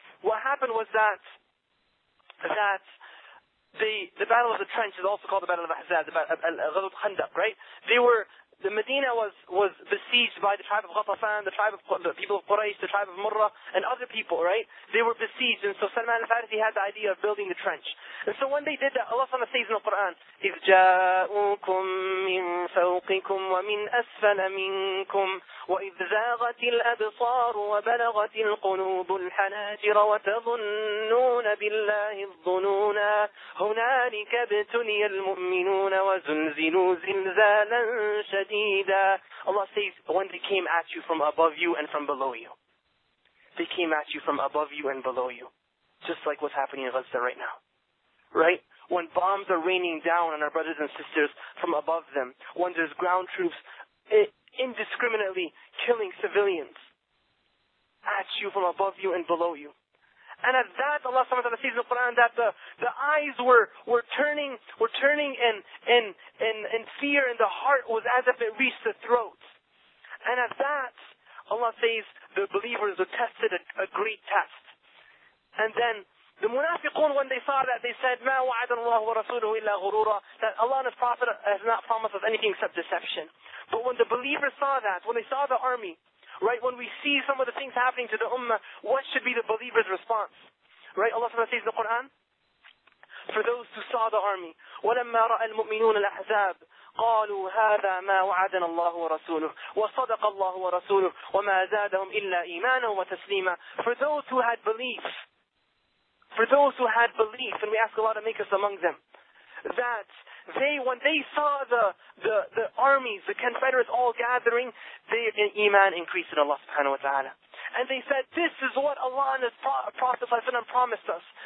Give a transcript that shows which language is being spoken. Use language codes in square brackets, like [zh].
[en] What happened was that the Battle of the Trench is also called the Battle of Ahzab, the Ghazwat Khandaq, right? The Medina was besieged by the tribe of Ghatafan, the tribe of the people of Quraysh, the tribe of Murra, and other people, right? They were besieged, and so Salman al-Farisi had the idea of building the trench. And so when they did that, Allah subhanahu wa ta'ala says in the Quran, [ar] إِذْ جَاءُوكُم مِّن فَوْقِكُمْ وَمِنْ أَسْفَلَ مِنْكُمْ وَإِذْ زَاغَتِ الْأَبْصَارُ وَبَلَغَتِ الْقُلُوبُ الْحَنَاجِرَ وَتَظُنُّونَ بِاللَّهِ الظُّنُونَا هُنَالِكَ ابْتُلِيَ الْمُؤْمِنُونَ وَزُلْزِلُوا زِلْزَالًا شَدِيدًا. [en] Allah says, when they came at you from above you and from below you. They came at you from above you and below you. Just like what's happening in Gaza right now. Right? When bombs are raining down on our brothers and sisters from above them. When there's ground troops indiscriminately killing civilians at you from above you and below you. And at that, Allah subhanahu wa ta'ala says in the Quran that the eyes were turning in fear, and the heart was as if it reached the throat. And at that, Allah says the believers were tested a great test. And then The munafiqun, when they saw that, they said, [ar] مَا وَعَدَ اللَّهُ وَرَسُولُهُ إِلَّا غُرُورًا, [en] that Allah and His Prophet has not promised us anything except deception. But when the believers saw that, when they saw the army, right, when we see some of the things happening to the ummah, what should be the believer's response? Right, Allah says in the Qur'an, for those who saw the army, [ar] وَلَمَّا رَأَى الْمُؤْمِنُونَ الْأَحْزَابِ قالوا هذا ما وعدنا الله ورسوله وصدق الله ورسوله وما زادهم إلا إيمانا وتسليما. [en] For those who had belief, for those who had belief, and we ask Allah to make us among them, that they, when they saw the armies, the Confederates all gathering, their iman increased in Allah subhanahu wa ta'ala. And they said, this is what Allah and His Prophet ﷺ promised us.